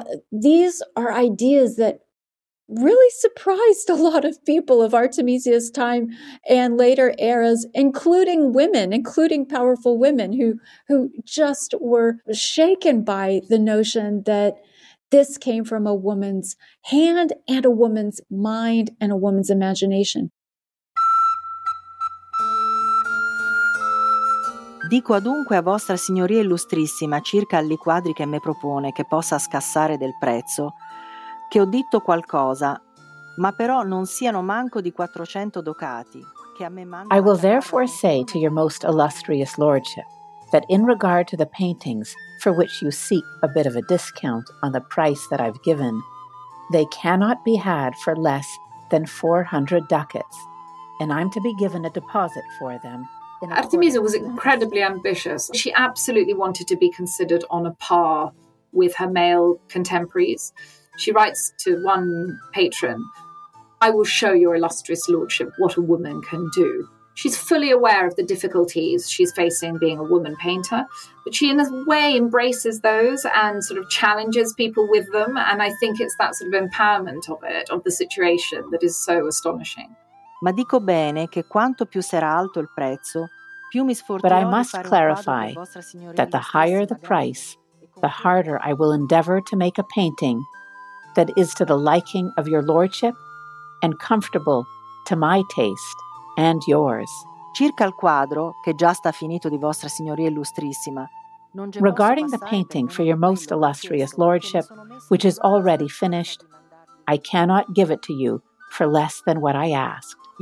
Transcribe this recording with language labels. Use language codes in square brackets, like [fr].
[en] These are ideas that really surprised a lot of people of Artemisia's time and later eras, including women, including powerful women who just were shaken by the notion that this came from a woman's hand and a woman's mind and a woman's imagination. [it] Dico adunque a vostra signoria illustrissima circa i quadri che me propone che possa scassare del prezzo, che ho detto qualcosa, ma però non siano manco di 400 ducati, che a me manca. [en] I will therefore say to your most illustrious lordship that in regard to the paintings for which you seek a bit of a discount on the price that I've given, they cannot be had for less than 400 ducats, and I'm to be given a deposit for them. Artemisia was incredibly ambitious. She absolutely wanted to be considered on a par with her male contemporaries. She writes to one patron, "I will show your illustrious lordship what a woman can do." She's fully aware of the difficulties she's facing being a woman painter, but she in a way embraces those and sort of challenges people with them. And I think it's that sort of empowerment of it, of the situation, that is so astonishing. [it] Ma dico bene che quanto più sarà alto il prezzo, più mi sforzerò. [en] But I must clarify that the higher the price, the harder I will endeavor to make a painting that is to the liking of your lordship and comfortable to my taste and yours. [it] Circa il quadro che già sta finito di vostra signoria illustrissima. [en] Regarding the painting for your most illustrious lordship, which is already finished, I cannot give it to you for less than what I ask.